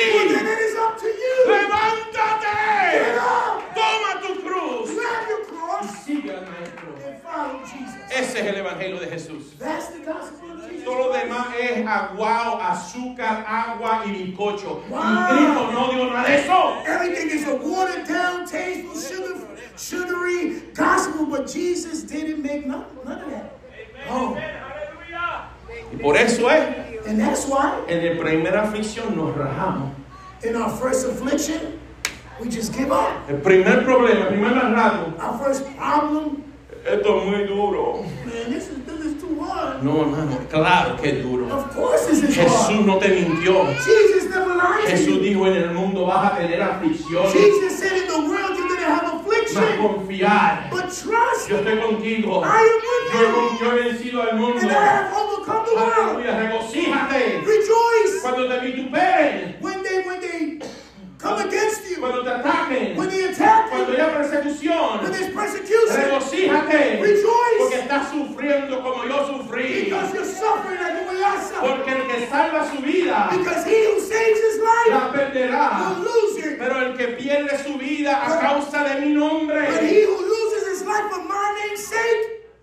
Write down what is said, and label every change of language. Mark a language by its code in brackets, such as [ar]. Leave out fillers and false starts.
[en] Well, then it is up to you. [es] Levántate. [en] Get up. [es] Toma tu cruz. [en] Grab your cross. [es] Y sigue al maestro. [en] And follow Jesus. [es] Ese es el evangelio de Jesús. [en] That's the gospel of Jesus. [es] Todo lo demás es aguao, azúcar, agua y bizcocho. Wow. Y Cristo no dio nada de eso. [en] Everything is a watered down, tasteful, sugary gospel, but Jesus didn't make none of that. [es] Amen. Aleluya. Y por eso es. [en] And that's why. [es] En la primera aflicción nos rajamos. [en] In our first affliction, we just give up. [es] El primer problema, el primer rasgo. [en] Our first problem. [es] Esto es muy duro. [en] Man, this is too hard. [es] No, hermano, claro que es duro. [en] Of course this is [es] Jesús [en] hard. [es] No te mintió. [en] Jesus never lied. [es] Jesús dijo en el mundo vas a tener aflicción. [en] Jesus said in the world you're going to have affliction. [es] Mas confiar. [en] But trust. [es] Yo estoy contigo. [en] I am with you. [es] Yo he vencido al mundo. [en] And I have overcome the world. [es] Aleluya, regocíjate. [en] Rejoice. [es] Cuando te vituperen. [en] When they come against you. [es] Cuando te ataquen. [en] When they attack [es] cuando [en] you. [es] Haya persecución. [en] When there's persecution. [es] Regocíjate. [en] Rejoice. [es] Porque estás sufriendo como yo sufrí. [en] Because you're suffering like the way I suffer. [es] Porque el que salva su vida. [en] Because he who saves his life. [es] La perderá. [en] Will lose it. [es] Pero el que pierde su vida a causa de mi nombre. [en] But he who loses his life for my name's sake.